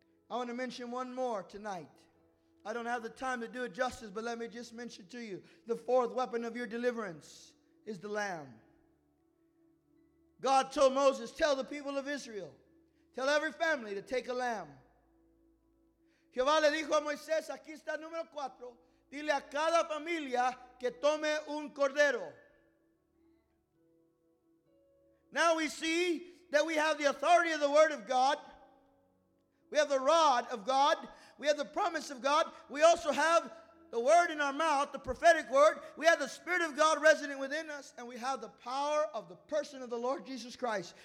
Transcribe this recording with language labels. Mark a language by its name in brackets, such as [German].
[English] I want to mention one more tonight. I don't have the time to do it justice, but let me just mention to you, the fourth weapon of your deliverance is the Lamb. God told Moses, tell the people of Israel, tell every family to take a lamb. [Spanish] Jehová le dijo a Moisés, aquí está número cuatro. Dile a cada familia que tome un cordero. [English] Now we see that we have the authority of the word of God. We have the rod of God. We have the promise of God. We also have the word in our mouth, the prophetic word. We have the Spirit of God resident within us. And we have the power of the person of the Lord Jesus Christ.